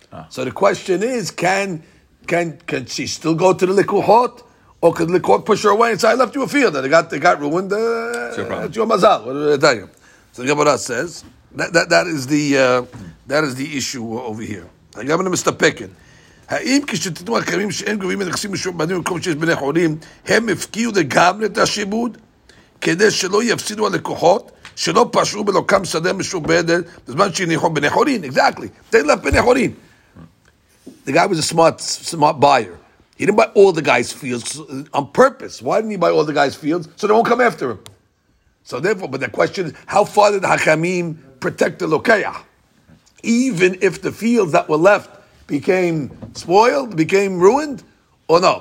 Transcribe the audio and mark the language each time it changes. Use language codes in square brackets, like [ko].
[en] So the question is, can she still go to the Likuhot, or could the Likuhot push her away and say, I left you a field, and it got ruined, it's your mazal, what did I tell you? So the Gemara says, that is the issue over here. The Gemara Mr. Pickett. [he] האם כשתתנו הקרמים שאין גובים מנכסים משועבדים במקום שיש בני חורים, הם הפקיעו לגמרי את השיבוד, כדי שלא יפסידו הלקוחות, שלא פשעו בלוקם שדה משועבדת, בזמן שהניחו בני חורים. [en] Exactly. [he] תן לב בני חורים. [en] The guy was a smart buyer. He didn't buy all the guy's fields on purpose. Why didn't he buy all the guy's fields? So they won't come after him. So therefore, but the question is, how far did Hakamim protect the lokeach? Even if the fields that were left became spoiled, became ruined, or no?